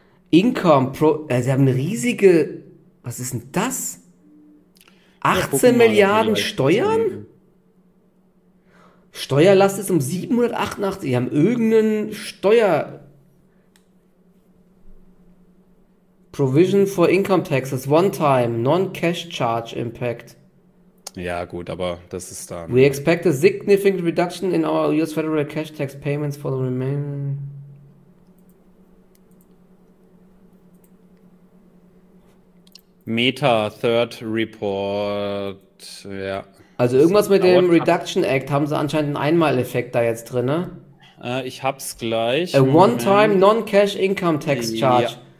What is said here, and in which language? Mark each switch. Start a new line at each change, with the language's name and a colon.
German: Income, sie haben eine riesige, was ist denn das? 18 Milliarden Steuern? Steuerlast ist um 788, die haben irgendeinen Steuer.
English: Provision for Income Taxes, one time, non-cash charge impact.
German: Ja, gut, aber das ist dann.
English: We expect a significant reduction in our US federal cash tax payments for the remaining.
German: Meta Third Report. Ja. Also irgendwas mit dem Reduction Act haben sie anscheinend einen Einmaleffekt da jetzt drin, ne? Ich hab's gleich.
English: A one-time non-cash income tax charge.